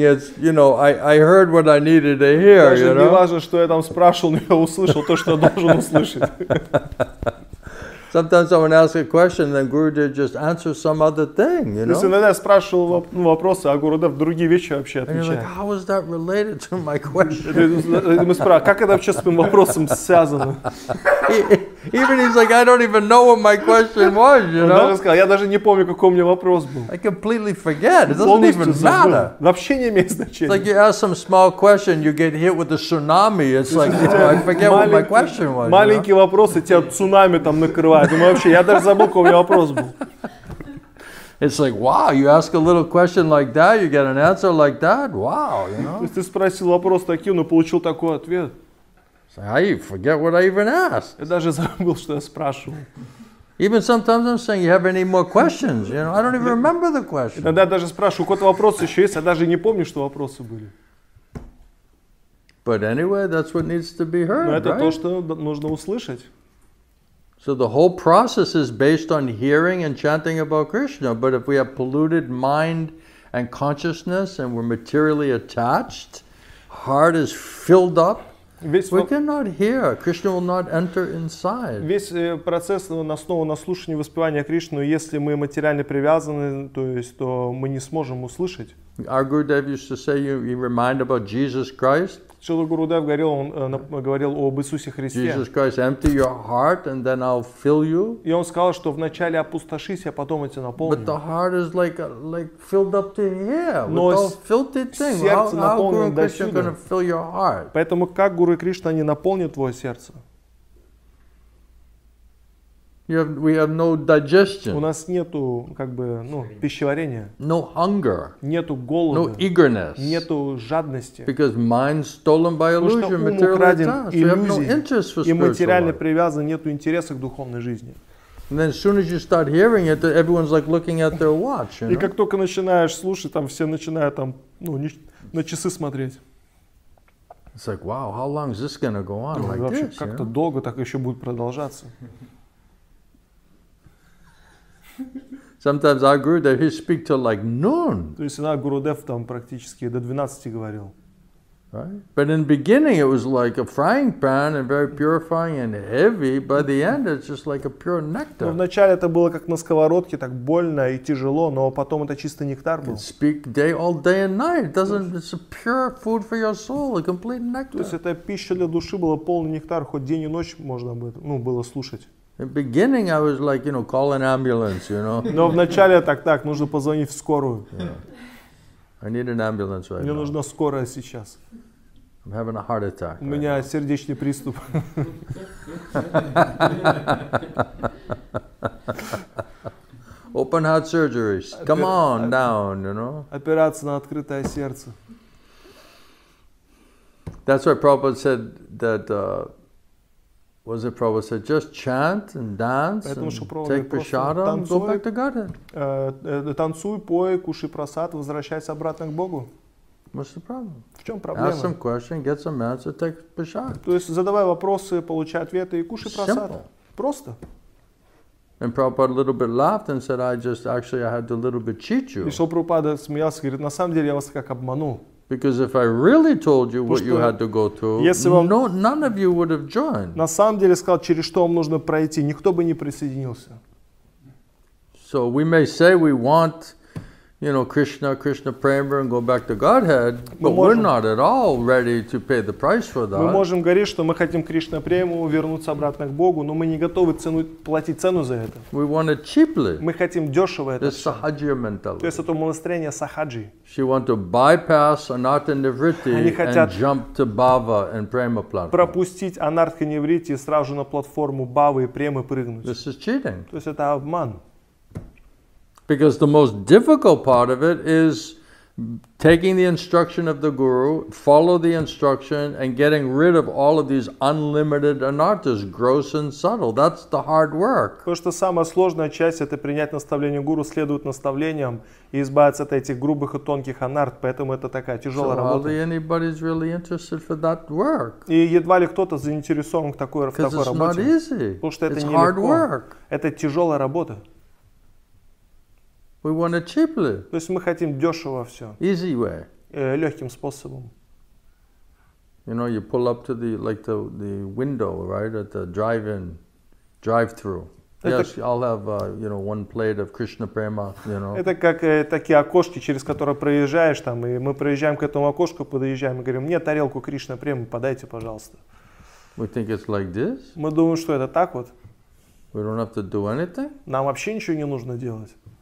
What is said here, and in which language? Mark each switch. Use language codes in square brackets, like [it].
[en] It's, you know, I heard what I needed to hear. [ru] Даже [en] you know? [ru] Не важно, что я там спрашивал, но я услышал то, что я должен услышать. [en] Sometimes someone asks a question, then Gurudev just answers some other thing, you know? [ru] То есть иногда я спрашивал вопросы, а Гурудев другие вещи вообще отвечает. [en] And you're like, how is that related to my question? [ru] Мы спрашиваем, как это вообще с моим вопросом связано? [en] Even he's like, I don't even know what my question was, you know? [ru] Он даже сказал, я даже не помню, какой у меня вопрос был. [en] I completely forget, it doesn't even matter. [ru] Вообще не имеет значения. [en] It's like you ask some small question, you get hit with a tsunami. It's like, you know, I forget what my question was. [ru] Маленькие вопросы, тебя цунами там накрывают. Думаю, вообще, я даже забыл, какой у меня вопрос был. [en] It's like, wow, you ask a little question like that, you get an answer like that, wow, you know? [ru] То есть ты спросил вопрос таким, но получил такой ответ. [en] I forget what I even asked. [ru] Я даже забыл, что я спрашивал. [en] Even sometimes I'm saying, you have any more questions, you know? I don't even remember the question. [ru] Иногда даже спрашиваю, какой-то вопрос еще есть, я даже не помню, что вопросы были. [en] But anyway, that's what needs to be heard, [ru] но это [en] right? [ru] То, что нужно услышать. [en] So the whole process is based on hearing and chanting about Krishna. But if we have polluted mind and consciousness and we're materially attached, heart is filled up, we cannot hear. Krishna will not enter inside. [ru] Весь процесс основан на слушании и воспевании Кришны. Если мы материально привязаны, то есть, то мы не сможем услышать. [en] Our Gurudev used to say, you remind about Jesus Christ. [ru] Шрила Гурудев говорил, он говорил об Иисусе Христе. [en] Jesus Christ, empty your heart and then I'll fill you. [ru] И он сказал, что вначале опустошись, а потом я тебя наполню. [en] But the heart is like filled up to here with [ru] Но [en] all filthy things. How Guru Krishna gonna fill your heart? [ru] Поэтому как Гуру Кришна не наполнит твое сердце? [en] We have no digestion. [ru] У нас нету как бы пищеварения. [en] No hunger. [ru] Нету голода. [en] No eagerness. [ru] Нету жадности. [en] Because mind stolen by illusion, material attachments. So [ru] и материально привязан, нету интереса к духовной жизни. [en] And then, as soon as you start hearing it, everyone's like looking at their watch. You know? [ru] И как только начинаешь слушать, там все начинают там на часы смотреть. [en] It's like, wow, how long is this gonna go on? Like [ru] вообще, [en] this, [ru] как-то [en] yeah? [ru] долго так еще будет продолжаться. [en] Sometimes our Gurudev, he speak till like noon. [ru] То есть иногда Гурудев там практически до 12 говорил. [en] Right? But in the beginning it was like a frying pan and very purifying and heavy. By the end it's just like a pure nectar. [ru] Но вначале это было как на сковородке, так больно и тяжело, но потом это чистый нектар был. [en] Speak day all day and night. It's a pure food for your soul, a complete nectar. [ru] То есть это пища для души была полный нектар, хоть день и ночь можно было, было слушать. [en] In the beginning, I was like, call an ambulance, [ru] Но вначале так, нужно позвонить в скорую. [en] I need an ambulance right now. [ru] Мне нужна скорая сейчас. [en] I'm having a heart attack. [ru] У меня сердечный приступ. [en] Open heart surgery. Come on down, [ru] Операция на открытое сердце. [en] That's why Prabhupada said that. Was it Prabhupada said, just chant and dance [ru] Поэтому, [en] and take prasadam, go back to Godhead? [ru] Танцуй, пой, кушай просад, возвращайся обратно к Богу. [en] What's the problem? [ru] В чем проблема? [en] Ask some questions, get some answers, take prasad. [ru] То есть задавай вопросы, получай ответы и кушай просад. [en] Simple. [ru] Просто. [en] And Prabhupada a little bit laughed and said, I had to a little bit cheat you. [ru] И Шрила Прабхупада смеялся, говорит, на самом деле я вас как обманул. [en] Because if I really told you what you had to go through, none of you would have joined. [ru] На самом деле сказал, через что вам нужно пройти, никто бы не присоединился. [en] So we may say we want, Krishna, Krishna prema, and go back to Godhead, but we're not at all ready to pay the price for that. [ru] Мы можем говорить, что мы хотим Кришна прему, вернуться обратно к Богу, но мы не готовы платить цену за это. [en] We want it cheaply. [ru] Мы хотим дешево это. [en] The sahajya mentality. [ru] То есть это умонастроение сахаджи. [en] She want to bypass anartha nivritti and jump to bhava and prema platform. [ru] Пропустить анартха нивритти и сразу на платформу бхавы и премы прыгнуть. [en] This is cheating. [ru] То есть это обман. [en] Because the most difficult part of it is taking the instruction of the guru, follow the instruction, and getting rid of all of these unlimited anarthas, gross and subtle. That's the hard work. [ru] Потому что самая сложная часть это принять наставление гуру, следовать наставлениям и избавиться от этих грубых и тонких анарт. Поэтому это такая тяжелая работа. [en] So hardly anybody is really interested for that work. [ru] И едва ли кто-то заинтересован в такой работе. [en] Because it's not easy. [ru] Потому что это не легко. Это тяжелая работа. [en] We want it cheaply. [ru] То есть мы хотим дешево все. [en] Easy way. [ru] Легким способом. [en] You pull up to the window, right, at the drive-in, drive-through. Yes, I'll have one plate of Krishna prema. [ru] Это как такие окошки, через которые проезжаешь там, и мы проезжаем к этому окошку, подъезжаем и говорим: мне тарелку Кришна премы, подайте, пожалуйста. [en] We think it's like this. [ru] Мы думаем, что это так вот. [en] We don't have to do anything. [ru] Нам вообще ничего не нужно делать.